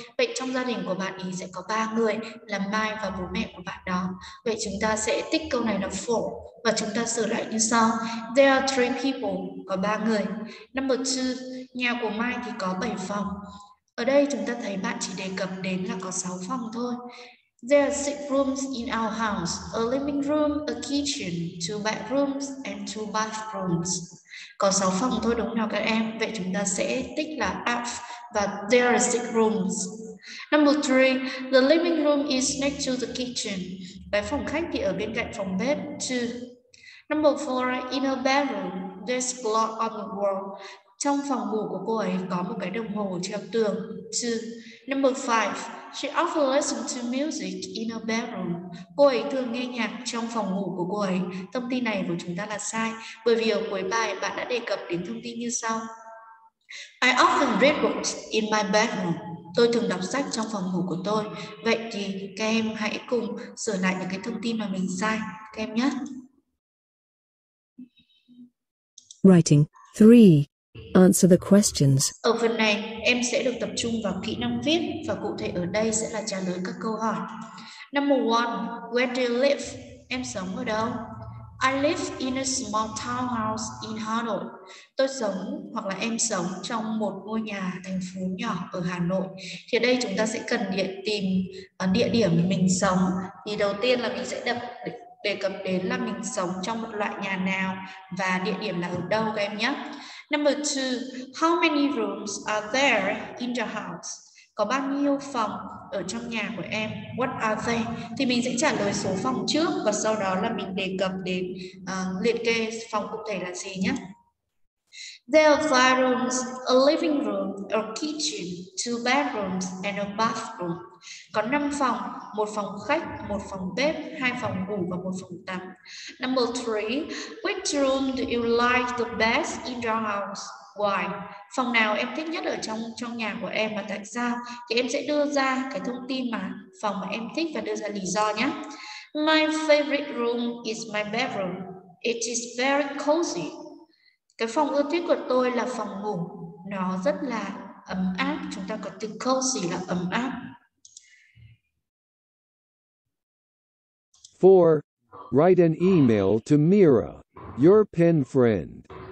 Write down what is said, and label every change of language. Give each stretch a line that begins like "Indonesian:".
Vietnamese: Vậy trong gia đình của bạn ấy sẽ có 3 người là Mai và bố mẹ của bạn đó. Vậy chúng ta sẽ tích câu này là for và chúng ta sửa lại như sau.
English: There are 3 people,
Vietnamese: có 3 người. Number 2, nhà của Mai thì có 7 phòng. Ở đây chúng ta thấy bạn chỉ đề cập đến là có 6 phòng thôi.
English: There are 6 rooms in our house, a living room, a kitchen, 2 bedrooms, and 2 bathrooms.
Vietnamese: Có 6 phòng thôi đúng không nào các em? Vậy chúng ta sẽ tích là F và
English: there are 6 rooms. Number 3, the living room is next to the kitchen.
Vietnamese: Bếp phòng khách thì ở bên cạnh phòng bếp, 2.
English: Number 4, in her bedroom, there's clock on the wall.
Vietnamese: Trong phòng ngủ của cô ấy có một cái đồng hồ treo tường, 2.
English: Number 5, she often listens to music in her bedroom.
Vietnamese: Cô ấy thường nghe nhạc trong phòng ngủ của cô ấy. Thông tin này của chúng ta là sai, bởi vì ở cuối bài bạn đã đề cập đến thông tin như sau.
English: I often read books in my bedroom.
Vietnamese: Tôi thường đọc sách trong phòng ngủ của tôi. Vậy thì các em hãy cùng sửa lại những cái thông tin mà mình sai, các em nhé.
English: Writing 3. Answer the questions.
Vietnamese: Ở phần này, em sẽ được tập trung vào kỹ năng viết và cụ thể ở đây sẽ là trả lời các câu hỏi.
English: Number 1, where do you live?
Vietnamese: Em sống ở đâu?
English: I live in a small townhouse in Hà Nội.
Vietnamese: Tôi sống hoặc là em sống trong một ngôi nhà thành phố nhỏ ở Hà Nội. Thì ở đây chúng ta sẽ cần tìm địa điểm mình sống. Thì đầu tiên là mình sẽ đề cập đến là mình sống trong một loại nhà nào và địa điểm là ở đâu các em nhé.
English: Number 2, how many rooms are there in your house?
Vietnamese: Có bao nhiêu phòng ở trong nhà của em?
English: What are they?
Vietnamese: Thì mình sẽ trả lời số phòng trước và sau đó là mình đề cập đến liệt kê phòng cụ thể là gì nhé.
English: There are 5 rooms, a living room, a kitchen, 2 bedrooms, and a bathroom.
Vietnamese: Có 5 phòng, 1 phòng khách, 1 phòng bếp, 2 phòng ngủ và 1 phòng tắm.
English: Number 3, which room do you like the best in your house? Why?
Vietnamese: Phòng nào em thích nhất ở trong nhà của em và tại sao? Thì em sẽ đưa ra cái thông tin mà phòng mà em thích và đưa ra lý do nhé.
English: My favorite room is my bedroom. It is very cozy.
Vietnamese: Cái phòng ưa thích của tôi là phòng ngủ. Nó rất là ấm áp. Chúng ta có từ cozy là ấm áp. 4.
English: Write an email to Mira, your pen friend.